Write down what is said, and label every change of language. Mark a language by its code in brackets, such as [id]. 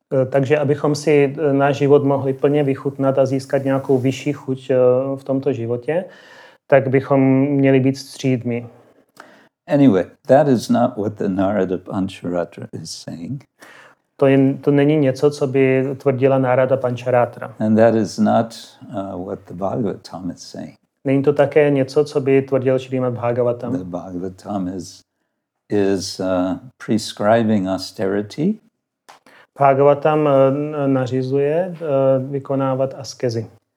[cs] Takže abychom si náš život mohli plně vychutnat a získat nějakou vyšší chuť v tomto životě, tak bychom měli být střídmi. [en] Anyway, that is not what the Narada Pancharatra is saying. [cs] To není něco, co by tvrdila Narada Pancharatra. [en] And that is not what the Bhagavatam is saying. [cs] Není to také něco, co by tvrdil Srimad Bhagavatam. [en] The Bhagavatam is prescribing austerity. [cs] Bhagavatam nařizuje vykonávat askezi.